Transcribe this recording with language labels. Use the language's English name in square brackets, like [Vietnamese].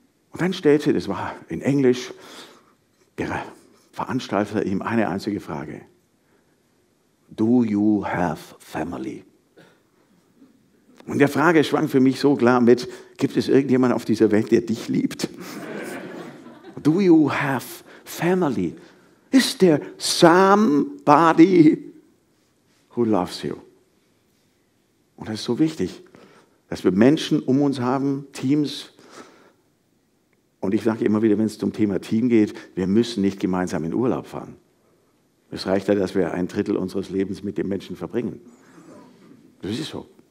[German] Und dann stellte, das war in Englisch, der Veranstalter ihm eine einzige Frage. [English] Do you have family? [German] Und der Frage schwang für mich so klar mit, gibt es irgendjemanden auf dieser Welt, der dich liebt? [English] Do you have family? Is there somebody who loves you? [German] Und das ist so wichtig, dass wir Menschen um uns haben, Teams. Und ich sage immer wieder, wenn es zum Thema Team geht, wir müssen nicht gemeinsam in Urlaub fahren. Es reicht ja, dass wir ein Drittel unseres Lebens mit dem Menschen verbringen. Das ist so.